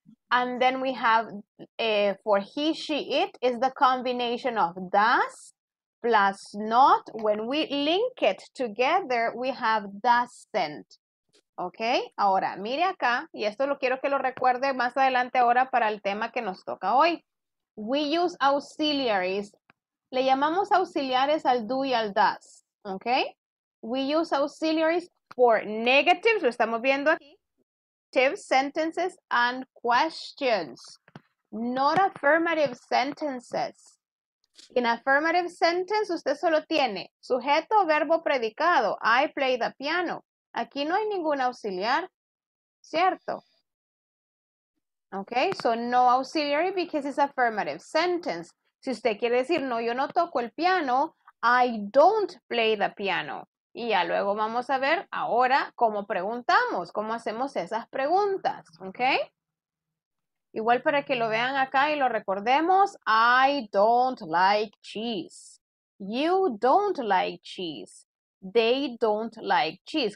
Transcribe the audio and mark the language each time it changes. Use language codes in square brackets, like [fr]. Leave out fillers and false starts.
[en] And then we have for he, she, it is the combination of does plus not. When we link it together, we have doesn't. [es] Ok, ahora mire acá, y esto lo quiero que lo recuerde más adelante ahora para el tema que nos toca hoy. [en] We use auxiliaries. [es] Le llamamos auxiliares al do y al does. [en] Ok, we use auxiliaries for negatives, [es] lo estamos viendo aquí. [en] Negative sentences and questions, not affirmative sentences. In affirmative sentence, [es] usted solo tiene sujeto, verbo, predicado. [en] I play the piano. [es] Aquí no hay ningún auxiliar, ¿cierto? [en] Okay, so no auxiliary because it's affirmative sentence. [es] Si usted quiere decir, no, yo no toco el piano, [en] I don't play the piano. [es] Y ya luego vamos a ver ahora cómo preguntamos, cómo hacemos esas preguntas, ¿ok? Igual para que lo vean acá y lo recordemos, [en] I don't like cheese. You don't like cheese. They don't like cheese.